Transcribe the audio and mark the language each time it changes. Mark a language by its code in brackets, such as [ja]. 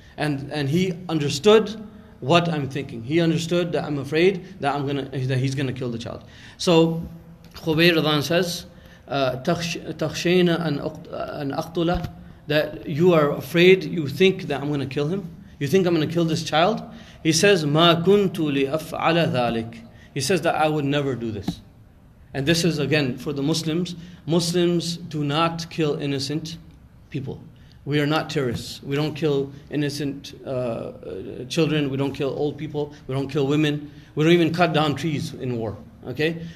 [en] And he understood what I'm thinking. He understood that I'm afraid that he's gonna kill the child. So Khubayb radhiyallahu anhu says, [ar] تَخْشَيْنَ أَنْ أَقْتُلَ, [en] that you are afraid, you think that I'm gonna kill him. You think I'm gonna kill this child? He says, [ar] مَا كُنْتُ لِأَفْعَلَ ذَلِكَ. [en] He says that I would never do this. And this is again for the Muslims. Muslims do not kill innocent people. We are not terrorists. We don't kill innocent children. We don't kill old people. We don't kill women. We don't even cut down trees in war. Okay?